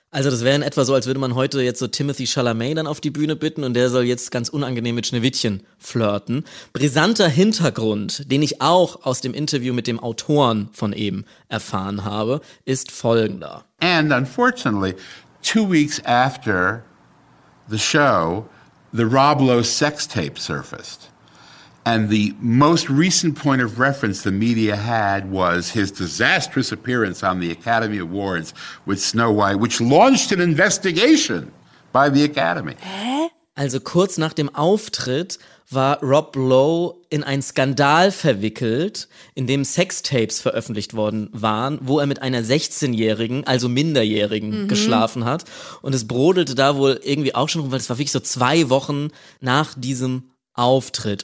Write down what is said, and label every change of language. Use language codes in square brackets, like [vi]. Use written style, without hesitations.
[de] Also das wäre in etwa so, als würde man heute jetzt so Timothy Chalamet dann auf die Bühne bitten und der soll jetzt ganz unangenehm mit Schneewittchen flirten. Brisanter Hintergrund, den ich auch aus dem Interview mit dem Autoren von eben erfahren habe, ist folgender. [en] And unfortunately, two weeks after the show, the Rob Lowe sex tape surfaced. And the most recent point of reference the media had was his disastrous appearance on the Academy Awards with Snow White, which launched an investigation by the Academy. [de] Also kurz nach dem Auftritt war Rob Lowe in einen Skandal verwickelt, in dem Sextapes veröffentlicht worden waren, wo er mit einer 16-Jährigen, also Minderjährigen, geschlafen hat. Und es brodelte da wohl irgendwie auch schon rum, weil es war wirklich so zwei Wochen nach diesem Auftritt.